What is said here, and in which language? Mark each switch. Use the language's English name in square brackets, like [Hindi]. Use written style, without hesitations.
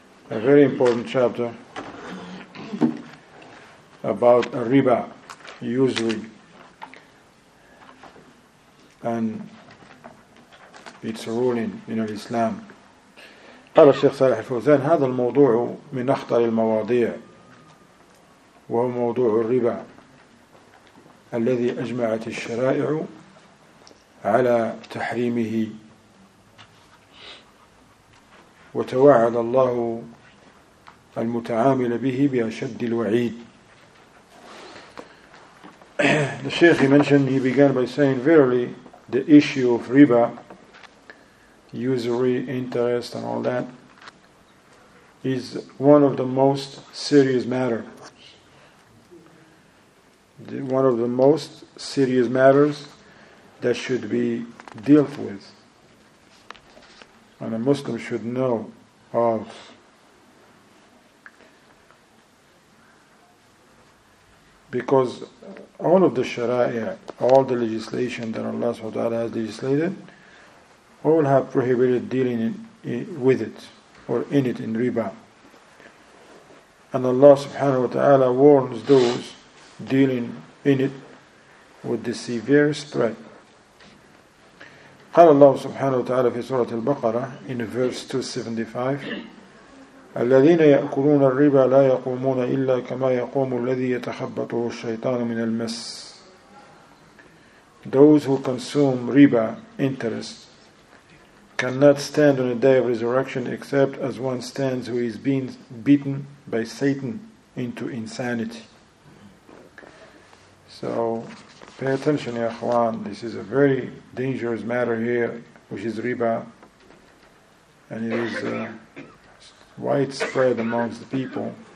[English] A very important chapter about riba, usury, and its ruling in Islam. [Arabic] قال الشيخ صالح الفوزان هذا الموضوع من أخطر المواضيع وهو موضوع الربا الذي أجمعت الشرائع على تحريمه وتوعد الله المتعامل به بأشد الوعيد. [English] The Shaykh, he mentioned, he began by saying, verily, the issue of riba, usury, interest, and all that, is one of the most serious matters. One of the most serious matters that should be dealt with. And a Muslim should know of. Because all of the sharia, all the legislation that Allah subhanahu wa ta'ala has legislated, all have prohibited dealing with it, or in it, in riba. And Allah subhanahu wa ta'ala warns those dealing in it with the severe threat. [Arabic] قال الله سبحانه وتعالى في سورة البقرة [English] in verse 275 [Arabic] الذين يأكلون الربا لا يقومون إلا كما يقوم الذي يتخبطه الشيطان من المس. [English] Those who consume riba, interest, cannot stand on the day of resurrection except as one stands who is being beaten by Satan into insanity. So pay attention, ya akhwan. This is a very dangerous matter here, which is riba, and it is widespread amongst the people.